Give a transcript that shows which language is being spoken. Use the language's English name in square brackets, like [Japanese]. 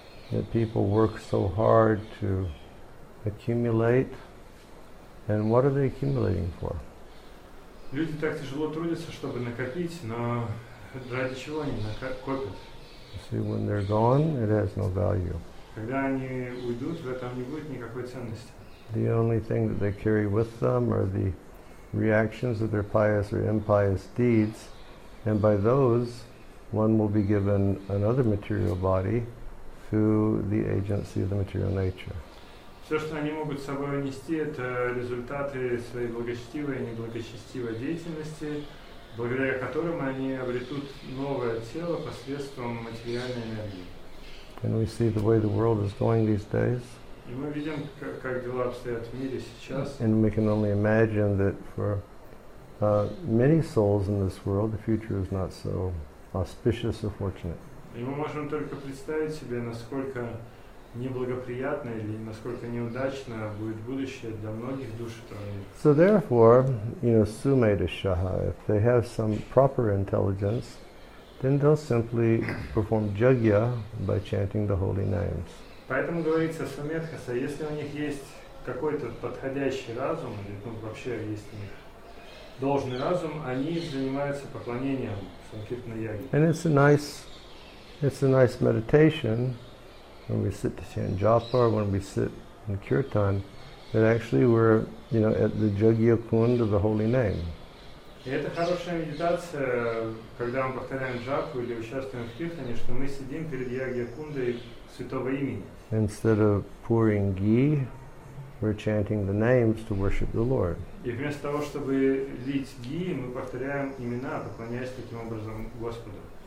[English] That people work so hard to accumulate, and what are they accumulating for? [Russian] Люди так тяжело трудятся, чтобы накопить, но ради чего они копят? [English] You see, when they're gone, it has no value. [Russian] Когда они уйдут, в этом не будет никакой ценности. [English] The only thing that they carry with them are the reactions of their pious or impious deeds, and by those, one will be given another material body through the agency of the material nature. [Russian] Все, что они могут с собой унести, это результаты своей благочестивой и неблагочестивой деятельности, благодаря которым они обретут новое тело посредством материальной энергии. [English] And we see the way the world is going these days. [Russian] И мы видим, как дела обстоят в мире сейчас. [English] And we can only imagine that for many souls in this world, the future is not so auspicious or fortunate. [Russian] И мы можем только представить себе, насколько неблагоприятно или насколько неудачно будет будущее для многих душ этого мира. [English] So therefore, you know, sumedashaha, if they have some proper intelligence, then they'll simply perform jagya by chanting the holy names. [Russian] Поэтому говорится сумедхаса, если у них есть какой-то подходящий разум, или ну, вообще есть у них должный разум, они занимаются поклонением санкиртна-яги. [English] And it's a nice meditation. When we sit to chant japa, when we sit in kirtan, that actually we're, you know, at the jagya kund of the holy name. [Russian] Это хорошая медитация, когда мы повторяем джапу или участвуем в киртане, что мы сидим перед ягья кундой святого имени. [English] Instead of pouring ghee, we're chanting the names to worship the Lord. [Russian] И вместо того, чтобы лить ghee, мы повторяем имена, поклоняясь таким образом Господу.